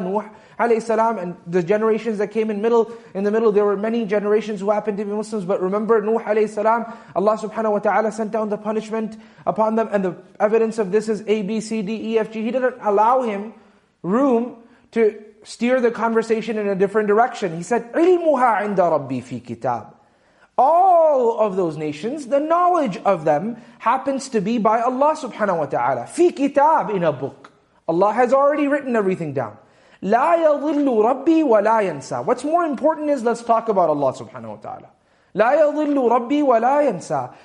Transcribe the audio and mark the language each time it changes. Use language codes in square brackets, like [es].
[en] Nuh alayhi salam, and the generations that came in the middle, there were many generations who happened to be Muslims. But remember, Nuh alayhi salam, Allah subhanahu wa ta'ala sent down the punishment upon them, and the evidence of this is A, B, C, D, E, F, G. He didn't allow him room to steer the conversation in a different direction. He said, [ar] عِلْمُهَا عِنْدَ رَبِّي فِي كِتَابٍ. [en] All of those nations, the knowledge of them happens to be by Allah subhanahu wa ta'ala. [ar] فِي كِتَابٍ, [en] in a book. Allah has already written everything down. [ar] لَا يَضِلُّ رَبِّي وَلَا يَنْسَى. [en] What's more important is, let's talk about Allah subhanahu wa ta'ala. [ar] لَا يَضِلُّ رَبِّي وَلَا يَنْسَى.